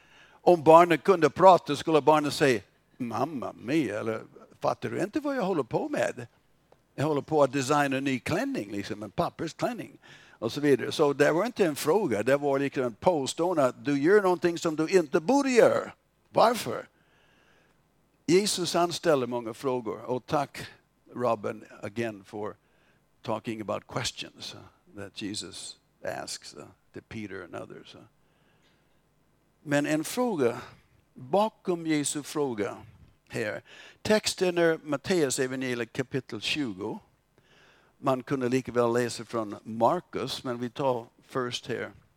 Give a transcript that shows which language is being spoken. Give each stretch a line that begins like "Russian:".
Swedish: Om barnet kunde prata skulle barnet säga mamma mia, eller fattar du inte vad jag håller på med? Jag håller på att designa en ny klänning, liksom en pappersklänning och så vidare. Så det var inte en fråga, det var liksom en påstående att du gör någonting som du inte borde göra. Varför? Jesus han ställer många frågor. Och tack
English: Robin again for talking about questions that Jesus asks to Peter and others.
Swedish: Men en fråga, bakom Jesu fråga. Här. Texten är Matteus evangeliet kapitel 20. Man kunde lika väl läsa från Markus, men vi tar först här.